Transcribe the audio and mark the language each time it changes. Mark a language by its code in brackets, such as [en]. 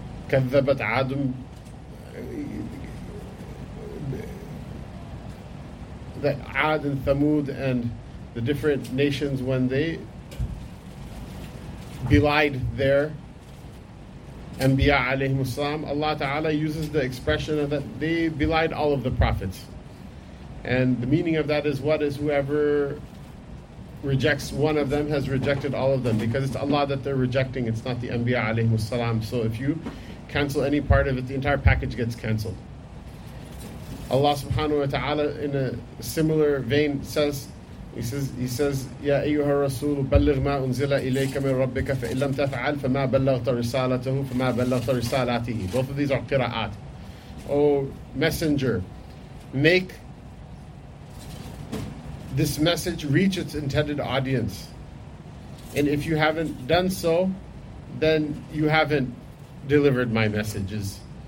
[ar] كذبت عاد [en] that عاد and ثمود and the different nations, when they belied their Anbiya alayhim salam, Allah Ta'ala uses the expression of that they belied all of the prophets. And the meaning of that is, what is whoever rejects one of them has rejected all of them, because it's Allah that they're rejecting, it's not the Anbiya alayhim salam. So if you cancel any part of it, the entire package gets cancelled. Allah subhanahu wa ta'ala, in a similar vein, says, [ar] يَا أَيُّهَا الرَّسُولُ بَلِّغْ مَا أُنزِلَ إِلَيْكَ مِنْ رَبِّكَ فَإِنْ لَمْ تَفْعَلْ فَمَا بَلَّغْتَ رِسَالَتَهُ فَمَا بَلَّغْتَ رِسَالَتِهِ. [en] Both of these are qira'at. O Messenger, make this message reach its intended audience. And if you haven't done so, then you haven't delivered my messages.